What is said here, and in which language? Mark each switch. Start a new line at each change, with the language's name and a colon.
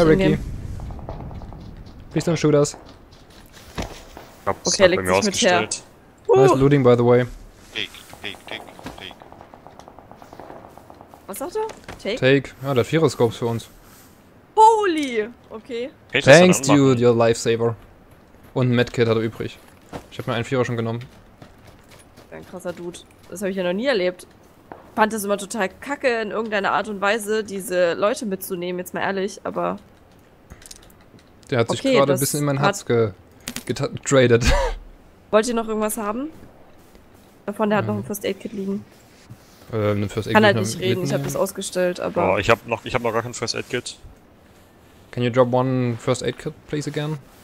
German: Hi, Ricky. Bist du ein Shooters? Ich hab's okay, bei mir ausgestellt.
English: Nice looting, by the way. Take.
German: Was sagt er?
English: Take.
German: Ja, der hat Viererscopes für uns.
English: Holy! Okay. Thanks, dude, your lifesaver.
German: Und ein Medkit hat er übrig. Ich hab mir einen Vierer schon genommen. Ein krasser Dude. Das habe ich ja noch nie erlebt. Ich fand es immer total kacke, in irgendeiner Art und Weise diese Leute mitzunehmen, jetzt mal ehrlich, aber... Der hat sich gerade ein bisschen in mein Herz getradet. Wollt ihr noch irgendwas haben? Davon, der hat noch ein First Aid Kit liegen. Ein First Aid Kit? Kann halt nicht reden, ich hab das ausgestellt, aber... Oh, ich hab noch gar kein First Aid Kit.
English: Can you drop one First Aid Kit, please, again?